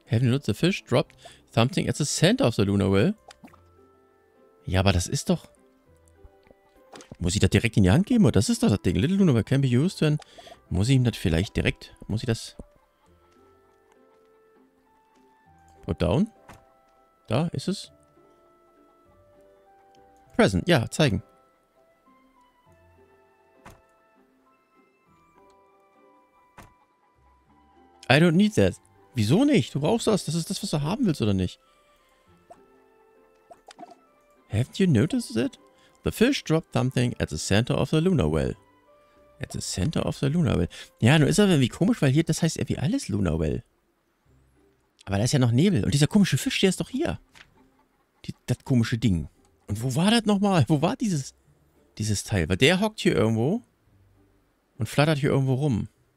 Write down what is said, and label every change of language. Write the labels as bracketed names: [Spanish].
[English] Have you not the fish dropped something at the center of the Lunar Well? [German] Ja, aber das ist doch... Muss ich das direkt in die Hand geben? Oder das ist doch das Ding. [English] Little Lunar Well can be used when... [German] Muss ich ihm das vielleicht direkt... Muss ich das... [English] Put down? [German] Da ist es. Present. Ja, zeigen. [English] I don't need that. [German] Wieso nicht? Du brauchst das. Das ist das, was du haben willst, oder nicht? [English] Haven't you noticed it? The fish dropped something at the center of the Lunar Well. At the center of the Lunar Well. [German] Ja, nur ist aber irgendwie komisch, weil hier, das heißt irgendwie alles Lunar Well. Aber da ist ja noch Nebel. Und dieser komische Fisch, der ist doch hier. Das komische Ding. Und wo war das nochmal? Wo war dieses Teil? Weil der hockt hier irgendwo und flattert hier irgendwo rum.